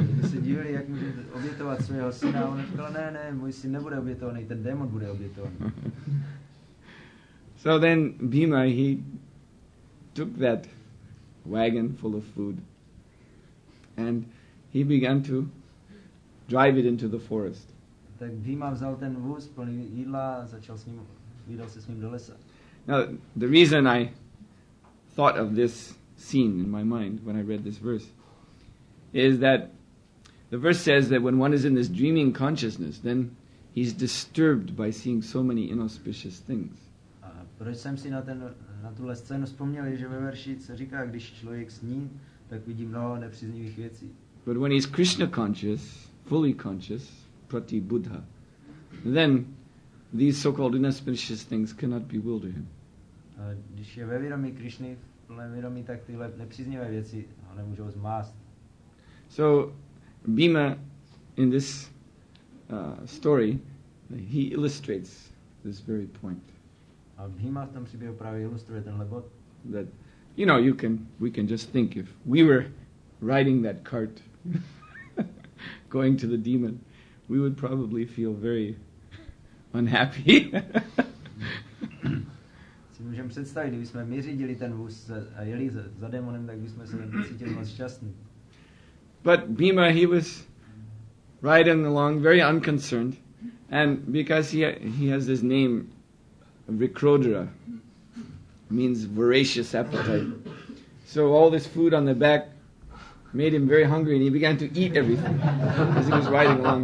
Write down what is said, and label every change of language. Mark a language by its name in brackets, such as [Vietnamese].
[Czech] Se dívali, jak může obětovat svého syna. On řekl, ne, můj syn nebude obětovaný, ten démon bude obětovaný. [English] So then Bhima, he took that wagon full of food and he began to drive it into the forest. [Czech] Tak Bhima vzal ten vůz plný jídla a začal s ním, vydal se s ním do lesa. [English] Now, the reason I thought of this scene in my mind when I read this verse is that the verse says that when one is in this dreaming consciousness, then he's disturbed by seeing so many inauspicious things. [Czech] A proč jsem si na tuhle scénu vzpomněl, že ve verši se říká, když člověk sní, tak vidí mnoho nepříznivých věcí. [English] But when he's Krishna conscious, fully conscious, prati buddha, then these so-called inauspicious things cannot bewilder him. [Czech] A když je ve vědomí Krishny, v plném vědomí, tak tyhle nepříznivé věci ho nemůžou zmást. [English] So Bhima, in this story, he illustrates this very point. [Czech] A Bhima v tom příběhu právě ilustruje tenhle bod. [English] That, you know, we can just think if we were riding that cart, going to the demon, we would probably feel very unhappy. [Czech] Si můžeme představit, kdybychom my řídili ten vůz a jeli za démonem, tak bychom se cítili moc šťastní. [English] But Bhima, he was riding along, very unconcerned, and because he has this name, Vikrodhara, means voracious appetite. So all this food on the back made him very hungry, and he began to eat everything as he was riding along.